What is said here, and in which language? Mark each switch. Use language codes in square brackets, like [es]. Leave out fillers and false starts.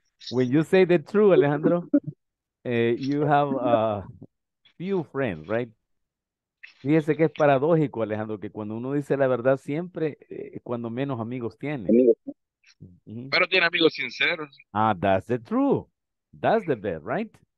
[en] When you say the truth, Alejandro, you have a few friends, right? [es] Fíjese que es paradójico, Alejandro, que cuando uno dice la verdad siempre cuando menos amigos tiene. Mm-hmm. Pero tiene amigos sinceros. [en] Ah, that's the true. That's the best, right?